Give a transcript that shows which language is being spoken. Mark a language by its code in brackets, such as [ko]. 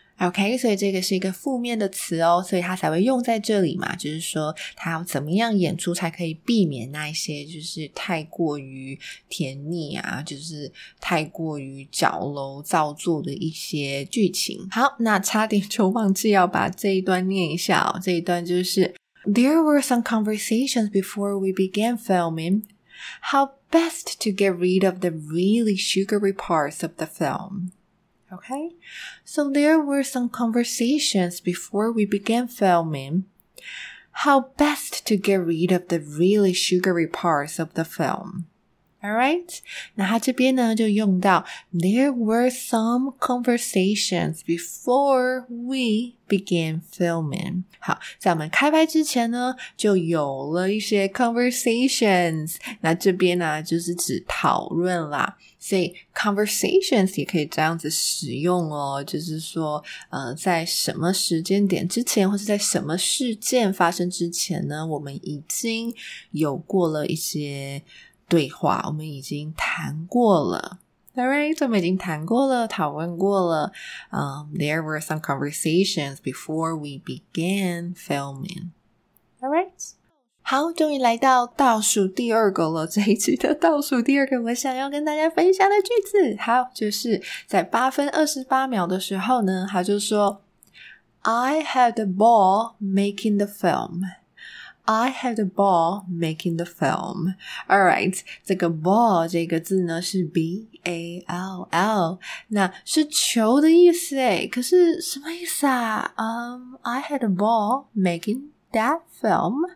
[zh] OK, 所以这个是一个负面的词哦，所以他才会用在这里嘛，就是说他要怎么样演出才可以避免那一些就是太过于甜腻啊，就是太过于矫揉造作的一些剧情。好，那差点就忘记要把这一段念一下哦，这一段就是 [en] There were some conversations before we began filming. How best to get rid of the really sugary parts of the film? Okay, so there were some conversations before we began filming. How best to get rid of the really sugary parts of the film? Alright, [zh] 那他这边呢就用到 [en] There were some conversations before we began filming. [zh] 好，在我们开拍之前呢就有了一些 conversations. 那这边呢就是指讨论啦。所以 conversations 也可以这样子使用哦，就是说在什么时间点之前或是在什么事件发生之前呢我们已经有过了一些对话，我们已经谈过了 ,alright, 我们已经谈过了讨论过了 [en] there were some conversations before we began filming. All right. [zh] 好，终于来到倒数第二个了。这一集的倒数第二个我想要跟大家分享的句子，好，就是在8分28秒的时候呢，他就说 [en] I had a ball making the film. I had a ball making the film. [zh] All right, 这个 ball 这个字呢是 B-A-L-L, 那是球的意思耶，可是什么意思啊？ [en] I had a ball making that film.